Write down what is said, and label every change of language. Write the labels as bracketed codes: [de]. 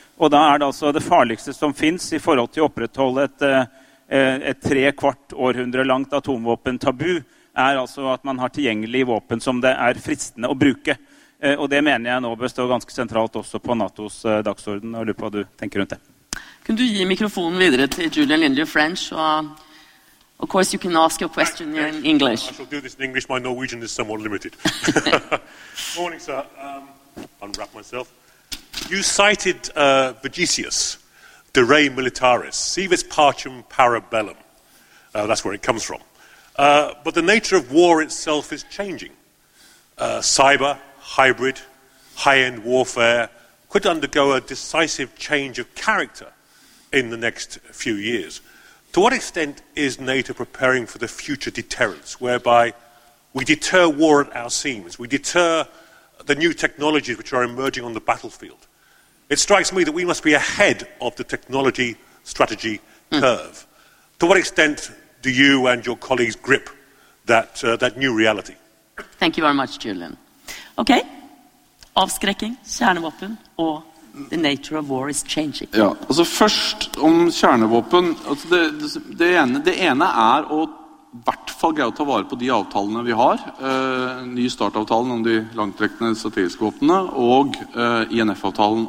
[no] Og da det altså det farligste som finnes I forhold til å opprettholde et tre kvart århundre langt atomvåpen-tabu, altså at man har tilgjengelige våpen som det fristende å bruke. Og det mener jeg nå bør stå ganske sentralt også på NATOs dagsorden, og lurer på hva du tenker rundt det. Kan du gi mikrofonen videre til Julian Lindley French? [en] Of course, you can ask your question in English. I shall do this in English. My Norwegian is somewhat limited. Morning, sir. Unwrap myself. You cited Vegesius. [la] De re militaris, civis pacem parabellum. [en] That's where it comes from. But the nature of war itself is changing. Cyber, hybrid, high-end warfare could undergo a decisive change of character in the next few years. To what extent is NATO preparing for the future deterrence, whereby we deter war at our seams, we deter the new technologies which are emerging on the battlefield? It strikes me that we must be ahead of the technology strategy curve. Mm. To what extent do you and your colleagues grip that that new reality? Thank you very much, Julian. Okay. [no] Avskrekking, kjernevåpen, og [en] the nature of war is changing. [no] Ja, altså først om kjernevåpen, altså det ene å I hvert fall greie å ta vare på de avtalene vi har, ny startavtalen om de langtrekkende strategiske våpnene, og INF-avtalen.